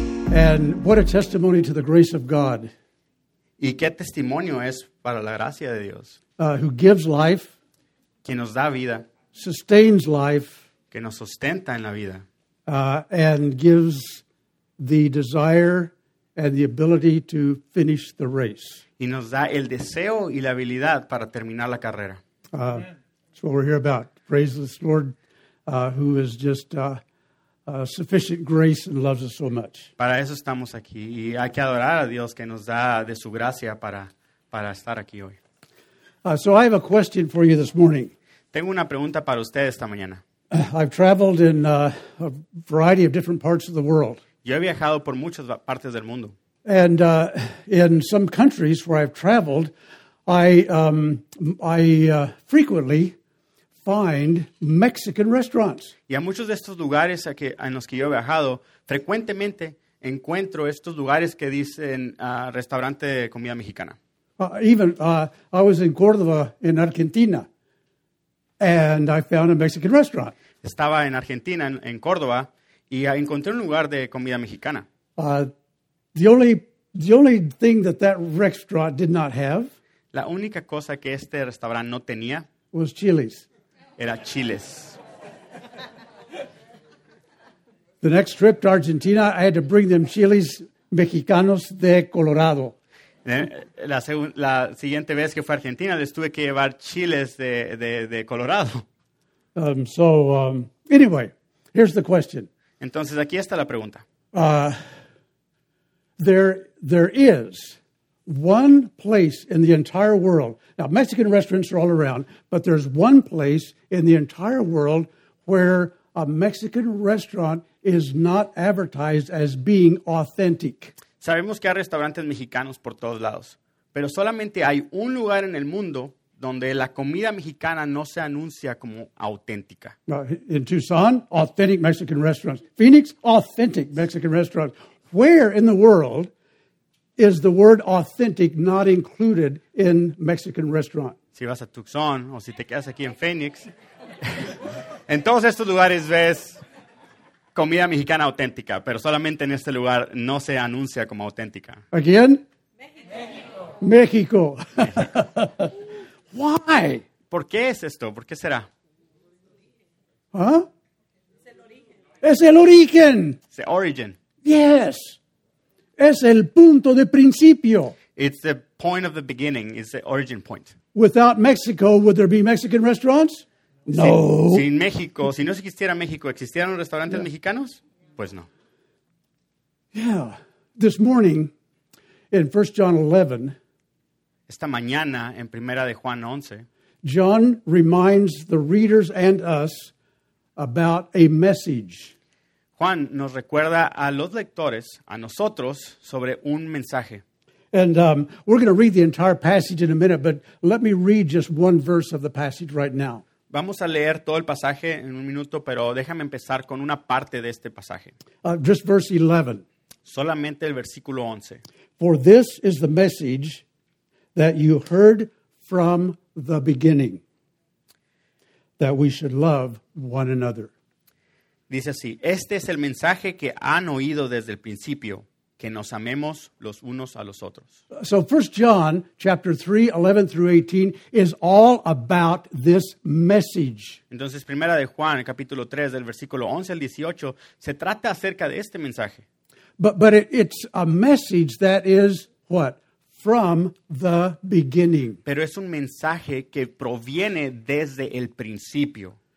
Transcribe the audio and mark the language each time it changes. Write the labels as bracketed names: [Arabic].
[English] And what a testimony to the grace of God. [Spanish] ¿Y qué testimonio es para la gracia de Dios? [English] Who gives life. [Spanish] Que nos da vida. [English] Sustains life. [Spanish] Que nos sustenta en la vida. [English] And gives the desire and the ability to finish the race. [Spanish] Y nos da el deseo y la habilidad para terminar la carrera. [English] That's what we're here about. Praise this Lord, who is just sufficient grace and loves us so much. [Spanish] Para eso estamos aquí. Y hay que adorar a Dios que nos da de su gracia para estar aquí hoy. [English] So I have a question for you this morning. [Spanish] Tengo una pregunta para usted esta mañana. [English] I've traveled in a variety of different parts of the world. [Spanish] Yo he viajado por muchas partes del mundo. [English] And in some countries where I've traveled, I frequently find Mexican restaurants. [Spanish] Y a muchos de estos lugares en los que yo he viajado, frecuentemente encuentro estos lugares que dicen restaurante de comida mexicana. [English] I was in Córdoba, in Argentina, and I found a Mexican restaurant. [Spanish] Estaba en Argentina, en Córdoba, y encontré un lugar de comida mexicana. [English] The only thing that restaurant did not have, [Spanish] la única cosa que este restaurante no tenía, [English] was chiles. [Spanish] Era chiles. [English] The next trip to Argentina, I had to bring them [Spanish] chiles mexicanos de Colorado. La siguiente vez que fui a Argentina, les tuve que llevar chiles de Colorado. [English] Anyway, here's the question. [Spanish] Entonces, aquí está la pregunta. [English] There is one place in the entire world. Now, Mexican restaurants are all around, but there's one place in the entire world where a Mexican restaurant is not advertised as being authentic. [Spanish] Sabemos que hay restaurantes mexicanos por todos lados, pero solamente hay un lugar en el mundo donde la comida mexicana no se anuncia como auténtica. [English] In Tucson, authentic Mexican restaurants. Phoenix, authentic Mexican restaurants. Where in the world is the word authentic not included in Mexican restaurant? [Spanish] Si vas a Tucson o si te quedas aquí en Phoenix, en todos estos lugares ves comida mexicana auténtica, pero solamente en este lugar no se anuncia como auténtica. [English] Again? México. Why? [Spanish] ¿Por qué es esto? ¿Por qué será? Huh? Es el origen. [English] It's the origin. Yes. [Spanish] Es el punto de principio. [English] It's the point of the beginning. It's the origin point. Without Mexico, would there be Mexican restaurants? No. [Spanish] Sin México, si no existiera México, ¿existieran restaurantes mexicanos? Pues no. [English] Yeah. This morning, in 1 John 11. [Spanish] Esta mañana, en Primera de Juan 11. [English] John reminds the readers and us about a message. [Spanish] Juan nos recuerda a los lectores, a nosotros, sobre un mensaje. [English] And we're going to read the entire passage in a minute, but let me read just one verse of the passage right now. [Spanish] Vamos a leer todo el pasaje en un minuto, pero déjame empezar con una parte de este pasaje. [English] Just verse 11. [Spanish] Solamente el versículo 11. [English] For this is the message that you heard from the beginning, that we should love one another. [Spanish] Dice así, este es el mensaje que han oído desde el principio, que nos amemos los unos a los otros. [English] So 1 John chapter 3, 11 through 18 is all about this message. [Spanish] Entonces, Primera de Juan, capítulo 3, del versículo 11 al 18, se trata acerca de este mensaje. [English] But it's a message that is what? From the beginning. [Spanish] Pero es un mensaje que proviene desde el principio.